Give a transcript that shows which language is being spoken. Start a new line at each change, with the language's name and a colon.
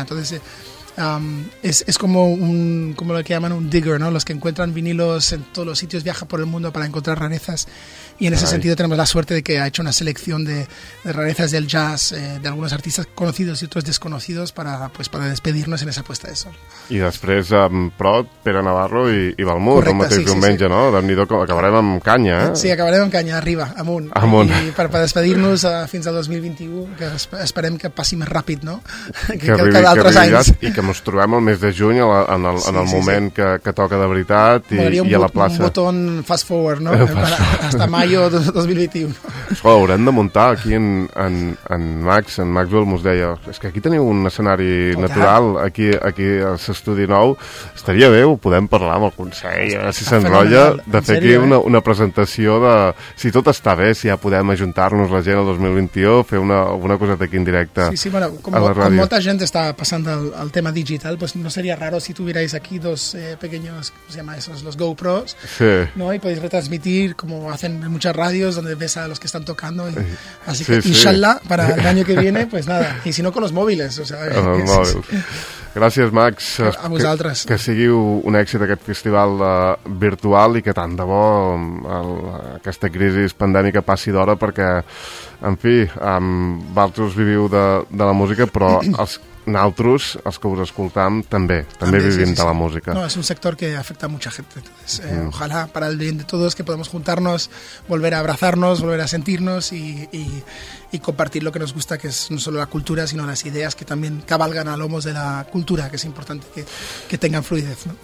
Spanish: Entonces, es como un, como lo que llaman un digger, ¿no? Los que encuentran vinilos en todos los sitios, viaja por el mundo para encontrar rarezas. Y en ese sentido tenemos la suerte de que ha hecho una selección de rarezas del jazz, de algunos artistas conocidos y otros desconocidos, para despedirnos en esa puesta de sol.
Catalan: I després amb Prot, Pere Navarro i Balmut. Correcte, el mateix diumenge, sí. No? Déu-n'hi-do, acabarem amb canya, eh? Sí, acabarem amb canya, arriba, amunt. Amunt. I per despedir-nos fins al 2021, que esperem que passi més ràpid, no? Que arribi, que altres anys. Llast, i que ens trobem el mes de juny en el moment que toca de veritat i a la plaça.
Spanish: Un botón fast forward, no? Hasta mai. Mayo 2021.
Catalan: Ho haurem de muntar aquí en Maxwell, m'ho deia. És que aquí teniu un escenari natural, aquí a l'estudi nou. Estaria bé, ho podem parlar amb el Consell, a veure si s'enrotlla, de fer aquí una presentació de... Si tot està bé, si ja podem ajuntar-nos la gent el 2021, fer alguna coseta aquí en directe.
Spanish: Sí, bueno,
Catalan: com molta gent està passant al tema digital,
Spanish: pues no seria raro si tuvierais aquí dos pequeños, com se llama esos, los GoPros, sí. ¿No? Y podéis retransmitir, como hacen en muchas radios donde ves a los que están tocando y, así que sí. Inshallah para el año que viene, pues nada, y si no con los móviles, o sea, con los móviles.
Catalan: Gràcies, Max. A vosaltres. Que sigui un èxit aquest festival virtual i que tant de bo aquesta crisi pandèmica passi d'hora, perquè, en fi, vosaltres viviu de la música, però els naltros, els que us escoltam, també vivim de la música. No, és un sector que afecta
Spanish: a mucha gente. Entonces, ojalá para el bien de todos que podamos juntarnos, volver a abrazarnos, volver a sentirnos y compartir lo que nos gusta, que es no solo la cultura, sino las ideas que también cabalgan a lomos de la cultura, que es importante que tengan fluidez, ¿no?